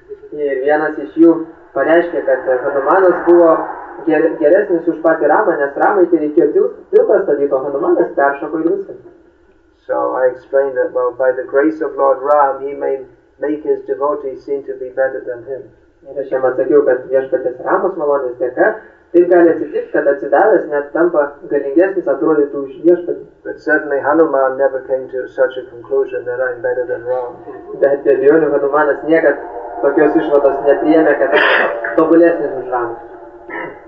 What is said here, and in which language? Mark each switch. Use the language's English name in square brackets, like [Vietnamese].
[Lithuanian] Ir vienas iš jų pareiškė, kad Hanumanas buvo geresnis už patį Ramą, nes Ramai tai reikėjo tiltą statyti, o Hanumanas peršoko į viską. [English] So I explained that, well, by the grace of Lord Ram, he may make his devotees seem to be better than him. [Lithuanian] Ir aš jam atsakiau, kad viešpatės Ramos malonės dėka, taip gali atsitikti, kad atsidavęs net tampa galingesnis atrodytų už viešpatį. [English] But certainly Hanuman never came to such a conclusion that I'm better than Ram. [Lithuanian] Bet be abejonių Hanumanas niekad tokios išvados nepriėmė, kad tobulesnis už Ramą.